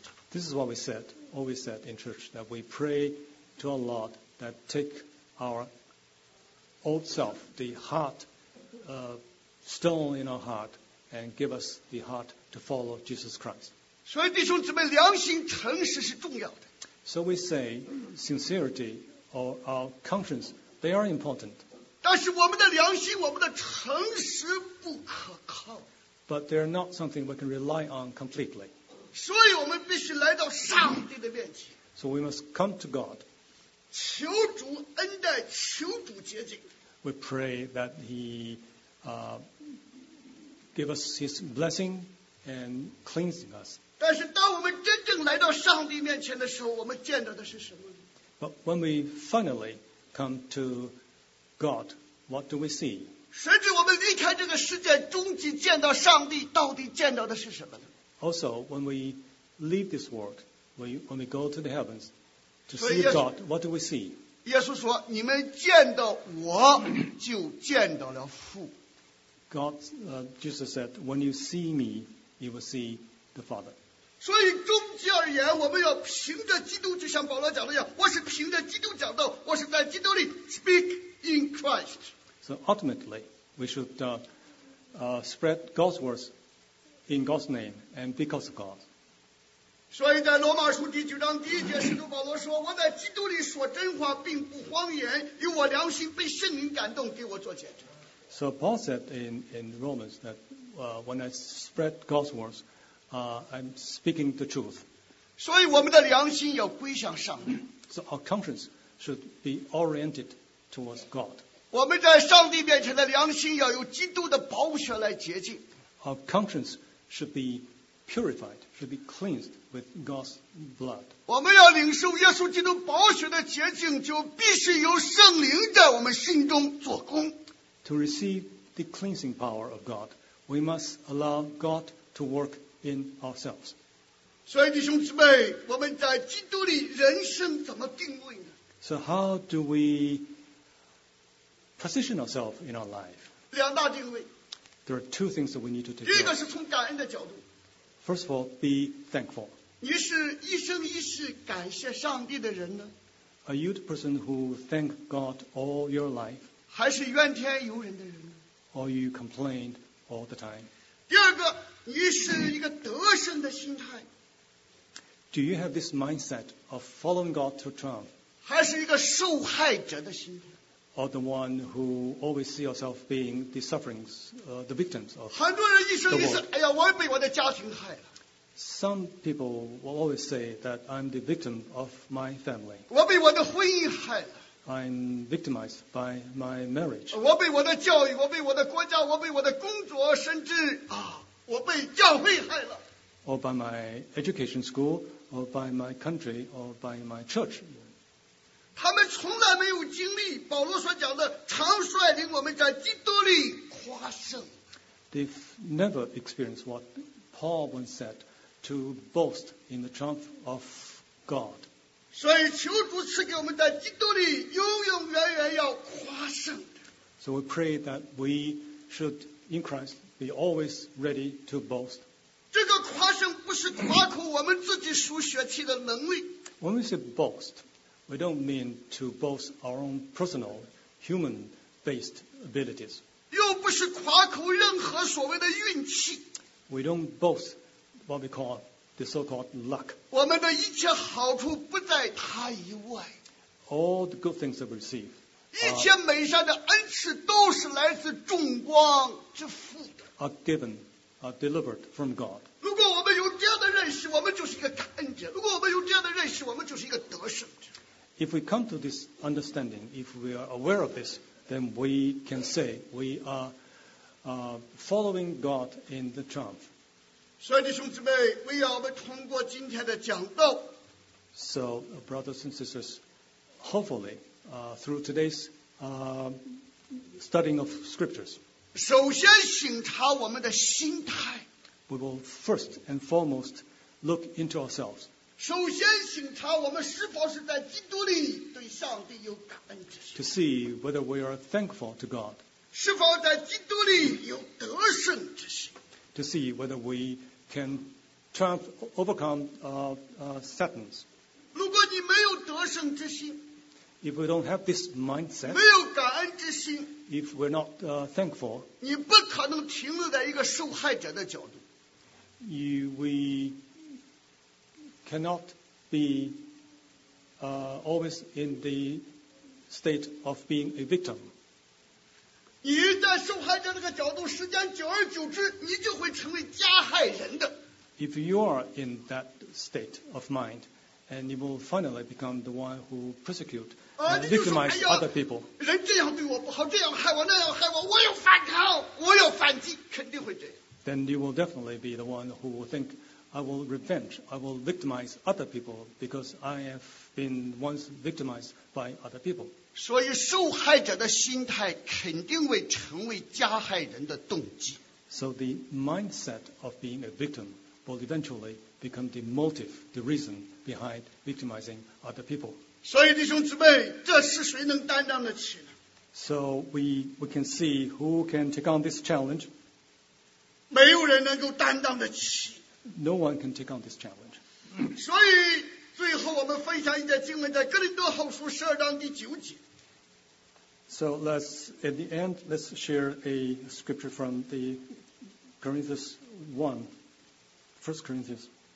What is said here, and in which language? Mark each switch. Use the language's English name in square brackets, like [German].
[English] This is what we said, always said in church, that we pray to our Lord that take our old self, the heart, stone in our heart, and give us the heart to follow Jesus Christ. [Chinese] 所以弟兄姊妹，良心诚实是重要的。 [English] So we say sincerity or our conscience, they are important. [Chinese] 但是我们的良心、我们的诚实不可靠。 [English] But they are not something we can rely on completely. [Chinese] 所以我们必须来到上帝的面前。 [English] So we must come to God. [Chinese] 求主恩待，求主洁净。 [English] We pray that He give us His blessing and cleansing us. [Chinese] 但是当我们真正来到上帝面前的时候，我们见到的是什么呢？ [English] But when we finally come to God, what do we see? [Chinese] 甚至我们离开这个世界，终极见到上帝，到底见到的是什么呢？ [English] Also, when we leave this world, when we go to the heavens to see God, what do we see? [Chinese] 耶稣说：“你们见到我，就见到了父。” [English] God, Jesus said, "When you see me, you will see the Father." [Chinese] 所以终极而言，我们要凭着基督，就像保罗讲的一样，我是凭着基督讲道，我是在基督里 [English] speak in Christ. So ultimately, we should spread God's words in God's name and because of God. [Chinese] 所以在罗马书第九章第一节，使徒保罗说：“我在基督里说真话，并不谎言，因我良心被圣灵感动，给我做见证。” [English] So Paul said in Romans that when I spread God's words, I'm speaking the truth. [Chinese] 所以我们的良心要归向上帝。 [English] So our conscience should be oriented towards God. [Chinese] 我们在上帝面前的良心要由基督的宝血来洁净。 [English] Our conscience should be purified, should be cleansed with God's blood. [Chinese] 我们要领受耶稣基督宝血的洁净，就必须由圣灵在我们心中做工。 [English] To receive the cleansing power of God, we must allow God to work in ourselves. [Chinese] 所以弟兄姊妹，我们在基督里人生怎么定位呢？ [English] So how do we position ourselves in our life? [Chinese] 两大定位。 [English] There are two things that we need to take. [Chinese] 第一个是从感恩的角度。 [English] First of all, be thankful. [Chinese] 你是一生一世感谢上帝的人呢？ [English] Are you the person who thank God all your life? [Chinese] 还是怨天尤人的人呢？ [English] Or you complain all the time? [Chinese] 第二个，你是一个得胜的心态。 [English] Do you have this mindset of following God to triumph? [Chinese] 还是一个受害者的心态？ [English] Or the one who always see yourself being the sufferings, the victims of the world. [Chinese] 很多人一生一世，哎呀，我被我的家庭害了。 [English] Some people will always say that I'm the victim of my family. [Chinese] 我被我的婚姻害了。 [English] I'm victimized by my marriage. [Chinese] 我被我的教育，我被我的国家，我被我的工作，甚至啊，我被教会害了。 [English] Or by my education school, or by my country, or by my church. [Chinese] 他们从来没有经历保罗所讲的常率领我们在基督里夸胜。 [English] They've never experienced what Paul once said to boast in the triumph of God. [Chinese] 所以求主赐给我们在基督里永永远远要夸胜。 [English] So we pray that we should in Christ be always ready to boast. [Chinese] 这个夸胜不是夸口我们自己属血气的能力。 [English] When we say boast,We don't mean to boast our own personal, human-based abilities. [Chinese] 又不是夸口任何所谓的运气。 [English] We don't boast what we call the so-called luck. [Chinese] 我们的一切好处不在他以外。 [English] All the good things that we receive. [Chinese] 一切美善的恩赐都是来自众光之父的。 [English] Are given, are delivered from God. [Chinese] 如果我们有这样的认识，我们就是一个感恩者；如果我们有这样的认识，我们就是一个得胜者。 [English] If we come to this understanding, if we are aware of this, then we can say we are following God in the triumph. [Chinese] 所以弟兄姊妹，为要我们通过今天的讲道。 [English] So, brothers and sisters, hopefully, through today's studying of scriptures, [Chinese] 首先省察我们的心态。 [English] We will first and foremost look into ourselves. [Chinese] 首先省察我们是否是在基督里对上帝有感恩之心。 [English] To see whether we are thankful to God. [Chinese] 是否在基督里有得胜之心。 [English] To see whether we can triumph, overcome Satan. [Chinese] 如果你没有得胜之心。 [English] If we don't have this mindset. [Chinese] 没有感恩之心。 [English] If we're not thankful. [Chinese] 你不可能停留在一个受害者的角度。 [English] Cannot be always in the state of being a victim. [Chinese] 你在受害者那个角度，时间久而久之，你就会成为加害人的。 [English] If you are in that state of mind, and you will finally become the one who persecute and victimize other people. [Chinese] 人这样对我不好，这样害我，那样害我，我要反抗，我要反击，肯定会这样。 [English] Then you will definitely be the one who will think. I will revenge. I will victimize other people because I have been once victimized by other people. [Chinese] 所以受害者的心态肯定会成为加害人的动机。 [English] So the mindset of being a victim will eventually become the motive, the reason behind victimizing other people. [Chinese] 所以弟兄姊妹，这是谁能担当得起呢？ [English] So we can see who can take on this challenge. [Chinese] 没有人能够担当得起。 [English] No one can take on this challenge. [Chinese] 所以最后我们分享一节经文在哥林多后书十二章第九节。 [English] So let's, at the end, let's share a scripture from the Corinthians 1, 1 Corinthians.